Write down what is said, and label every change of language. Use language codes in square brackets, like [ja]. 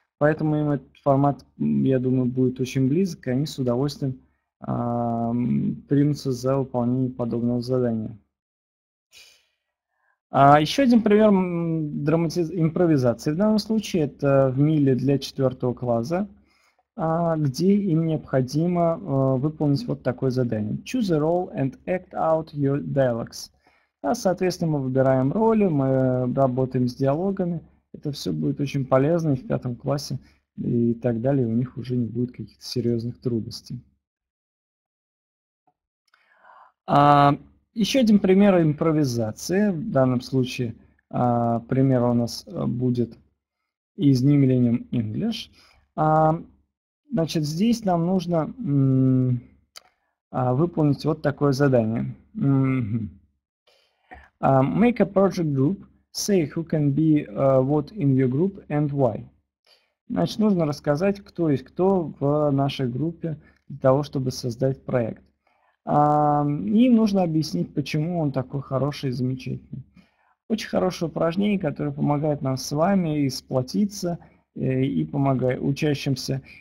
[ru] Поэтому им этот формат, я думаю, будет очень близок, и они с удовольствием примутся за выполнение подобного задания. Еще один пример импровизации в данном случае – это в миле для 4 класса, где им необходимо выполнить вот такое задание. [en] Choose a role and act out your dialogues. [ru] А, соответственно, мы выбираем роли, мы работаем с диалогами. Это все будет очень полезно и в 5 классе, и так далее, у них уже не будет каких-то серьезных трудностей. Еще один пример импровизации. В данном случае пример у нас будет из New Millennium English. Значит, здесь нам нужно выполнить вот такое задание. [en] Make a project group. Say who can be what in your group and why. [ru] Значит, нужно рассказать, кто есть кто в нашей группе для того, чтобы создать проект. И нужно объяснить, почему он такой хороший и замечательный. Очень хорошее упражнение, которое помогает нам с вами сплотиться и помогает учащимся.